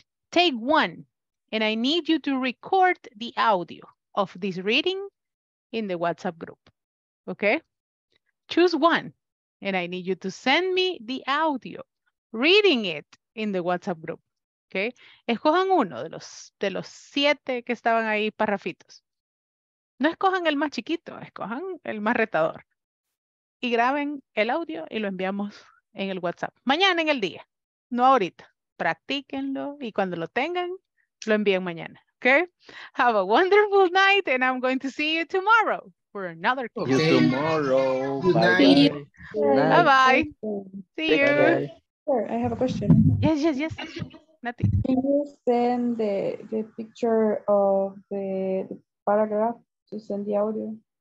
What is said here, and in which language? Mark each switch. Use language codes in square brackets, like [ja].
[en] Take one, and I need you to record the audio of this reading in the WhatsApp group, okay? Choose one, and I need you to send me the audio reading it in the WhatsApp group, okay? [es] Escojan uno de los siete que estaban ahí parrafitos. No escojan el más chiquito, escojan el más retador. Y graben el audio y lo enviamos en el WhatsApp. Mañana en el día, no ahorita. Practíquenlo y cuando lo tengan, lo envíen mañana. [en] Okay? Have a wonderful night and I'm going to see you tomorrow for another course. See you tomorrow. Bye-bye. Bye-bye. See you. Sure, I have a question. Yes. Nati. Can you send the picture of the paragraph to send the audio?